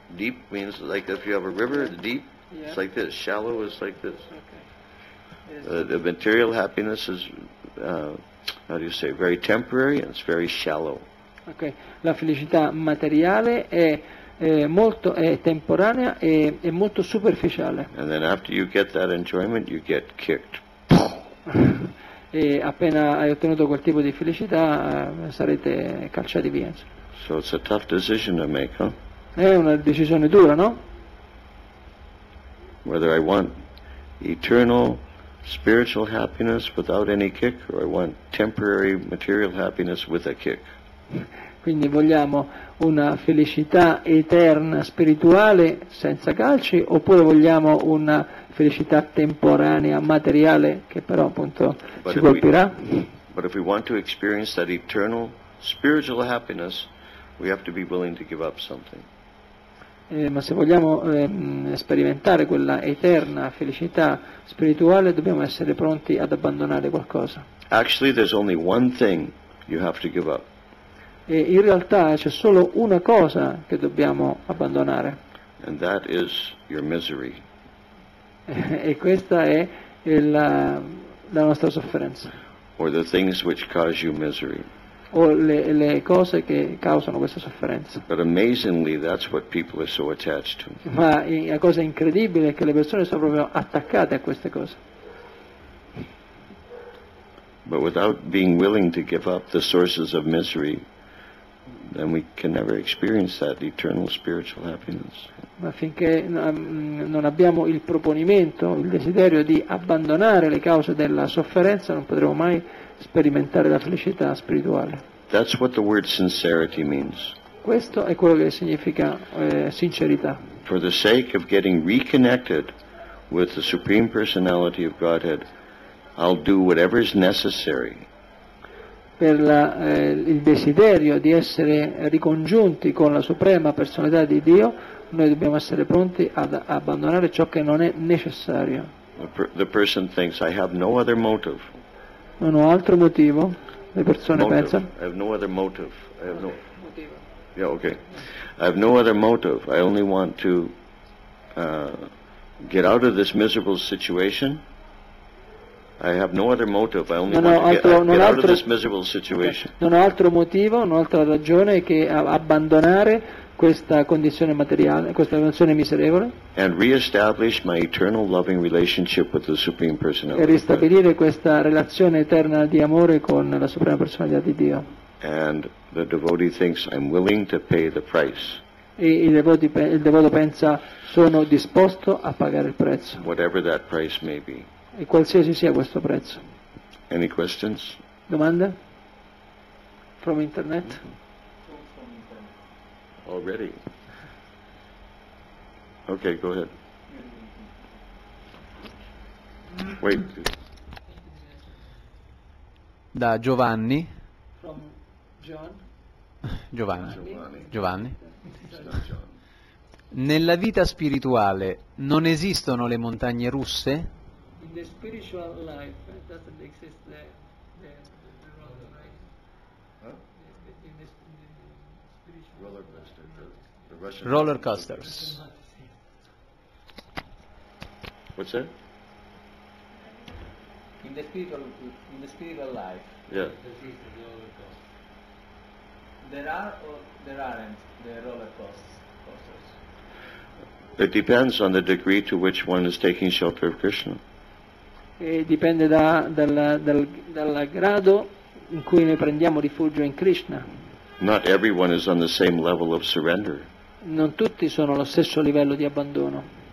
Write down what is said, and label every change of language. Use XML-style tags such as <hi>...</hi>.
<en>Deep means like if you have a river, yeah. Deep, yeah. It's like this. Shallow is like this. Okay. The material happiness is, how do you say, very temporary and it's very shallow. Okay.</en> <it>La felicità materiale è temporanea e molto superficiale.</it> <en>And then after you get that enjoyment, you get kicked.</en> <it>E appena hai ottenuto quel tipo di felicità, sarete calciati via.</it> <en>So it's a tough decision to make, huh?</en> <it>È una decisione dura, no?</it> <en>Whether I want eternal spiritual happiness without any kick, or I want temporary material happiness with a kick?</en> <it>Quindi vogliamo una felicità eterna spirituale senza calci, oppure vogliamo una felicità temporanea materiale che però appunto ci colpirà?</it> <en>But if we want to experience that eternal spiritual happiness, we have to be willing to give up something.</en> <it>Ma se vogliamo sperimentare quella eterna felicità spirituale, dobbiamo essere pronti ad abbandonare qualcosa.</it> <en>Actually, there's only one thing you have to give up.</en> <it>E in realtà c'è solo una cosa che dobbiamo abbandonare.</it> <en>And that is your misery.</en> <it>E questa è la nostra sofferenza.</it> <en>Or the things which cause you misery.</en> <it>O le cose che causano questa sofferenza.</it> <en>But amazingly, that's what people are so attached to.</en> <it>Ma la cosa incredibile è che le persone sono proprio attaccate a queste cose.</it> <en>But without being willing to give up the sources of misery, then we can never experience that eternal spiritual happiness.</en> <it>Ma finché non abbiamo il proponimento, il desiderio di abbandonare le cause della sofferenza, non potremo mai sperimentare la felicità spirituale.</it> <en>That's what the word sincerity means.</en> <it>Questo è quello che significa sincerità.</it> <en>For the sake of getting reconnected with the Supreme Personality of Godhead, I'll do whatever is necessary.</en> <it>Per il desiderio di essere ricongiunti con la Suprema Personalità di Dio, noi dobbiamo essere pronti ad abbandonare ciò che non è necessario.</it> <en>The person thinks, I have no other motive.</en> <it>Non ho altro motivo. Le persone</it> <en>motive.</en> <it>Pensano.</it> <en>I have no other motive. I have no motive. Yeah, okay. I have no other motive. I only want to get out of this miserable situation. I have no other motive, I only want to get out of this miserable situation.</en> <it>Okay. Non ho altro motivo, non ho altra ragione che abbandonare questa condizione materiale, questa condizione miserevole.</it> <en>And reestablish my eternal loving relationship with the Supreme Personality.</en> <it>E ristabilire questa relazione eterna di amore con la Suprema Personalità di Dio.</it> <en>And the devotee thinks I'm willing to pay the price.</en> <it>E il devoto pensa sono disposto a pagare il prezzo.</it> <en>Whatever that price may be.</en> <it>E qualsiasi sia questo prezzo.</it> <en>Any questions?</en> <it>Domanda?</it> <en>From internet? Already. Okay, go ahead. Wait.</en> <it>Da Giovanni.</it> <en>From John?</en> <it>Giovanni. Nella vita spirituale non esistono le montagne russe?</it> <en>In the spiritual life, it doesn't exist the roller, right? Huh? In the spiritual roller coaster, the Russian roller coasters. What's that? In the spiritual life. Yeah. There are or there aren't the roller coasters. It depends on the degree to which one is taking shelter of Krishna.</en> <it>E dipende dal grado in cui noi prendiamo rifugio in Krishna.</it> <en>Not everyone is on the same level of surrender.</en> <it>Non tutti sono allo stesso livello di abbandono.</it>